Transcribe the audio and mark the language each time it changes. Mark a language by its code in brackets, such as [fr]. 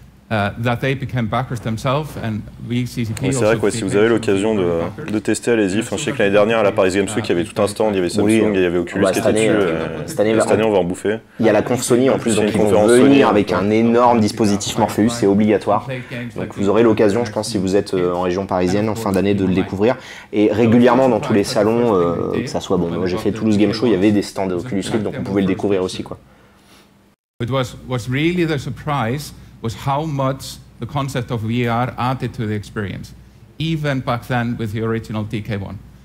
[en] That they became backers themselves, and we CCP. [fr] Oui, c'est vrai quoi. Si vous avez l'occasion de tester, allez-y. Enfin, je sais que l'année dernière à la Paris Games Week, il y avait tout un stand, il y avait Samsung, oui, il y avait Oculus qui était dessus. Cette année, on va en bouffer. Il y a la conf Sony en plus, donc ils vont venir avec un énorme dispositif Morpheus, c'est obligatoire. Donc vous aurez l'occasion, je pense, si vous êtes en région parisienne en fin d'année, de le découvrir. Et régulièrement dans tous les salons, que ça soit bon. Moi, j'ai fait Toulouse Game Show, il y avait des stands Oculus Rift, donc vous pouvez le découvrir aussi quoi. [en] It was really the surprise. Was how much the concept of VR added to the experience, even back then with the original DK1.